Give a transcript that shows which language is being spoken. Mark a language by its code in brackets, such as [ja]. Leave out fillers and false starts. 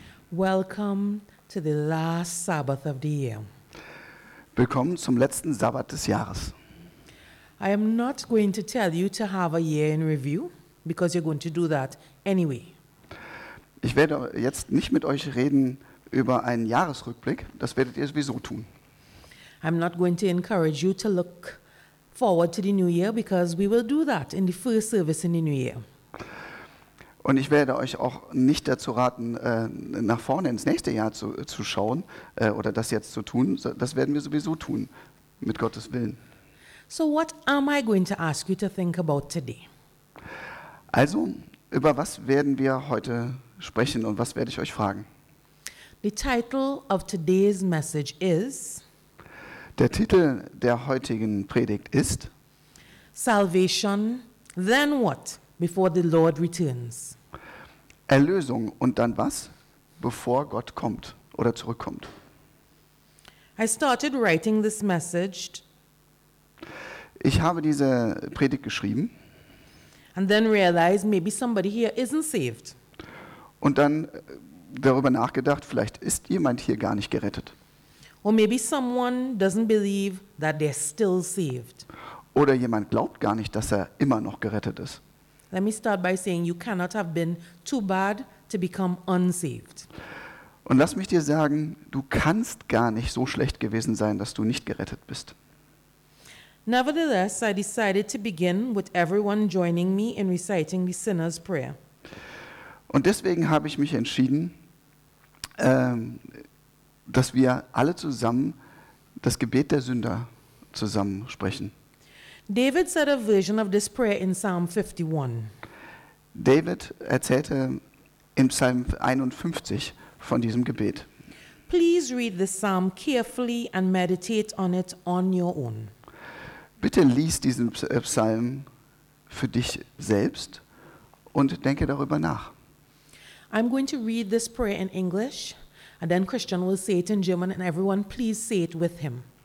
[en] Welcome to the last Sabbath of the year. [de] Willkommen zum letzten Sabbat des Jahres. [en] I am not going to tell you to have a year in review, because you're going to do that anyway. [de] Ich werde jetzt nicht mit euch reden über einen Jahresrückblick, das werdet ihr sowieso tun. [en] I'm not going to encourage you to look forward to the new year, because we will do that in the first service in the new year. [de] Und ich werde euch auch nicht dazu raten, nach vorne ins nächste Jahr zu schauen oder das jetzt zu tun. Das werden wir sowieso tun, mit Gottes Willen. [en] So what am I going to ask you to think about today? [de] Also, über was werden wir heute sprechen und was werde ich euch fragen? [en] The title of today's message is... [de] Der Titel der heutigen Predigt ist... [en] Salvation, then what? Before the Lord returns. [de] Erlösung und dann was? Bevor Gott kommt oder zurückkommt. [en] I started writing this message. [de] Ich habe diese Predigt geschrieben. [en] And then realized maybe somebody here isn't saved. [de] Und dann darüber nachgedacht, vielleicht ist jemand hier gar nicht gerettet. [en] Or maybe someone doesn't believe that they're still saved. [de] Oder jemand glaubt gar nicht, dass er immer noch gerettet ist. [en] Let me start by saying you cannot have been too bad to become unsaved. [de] Und lass mich dir sagen, du kannst gar nicht so schlecht gewesen sein, dass du nicht gerettet bist. [en] Nevertheless, I decided to begin with everyone joining me in reciting the sinner's prayer. [de] Und deswegen habe ich mich entschieden, dass wir alle zusammen das Gebet der Sünder zusammen sprechen. [en] David said a version of this prayer in Psalm 51. [de] David erzählte in Psalm 51 von diesem Gebet. [en] Please read the psalm carefully and meditate on it on your own. [de] Bitte lies diesen Psalm für dich selbst und denke darüber nach. [en] I'm going to read this prayer in English and then Christian will say it in German and everyone please say it with him.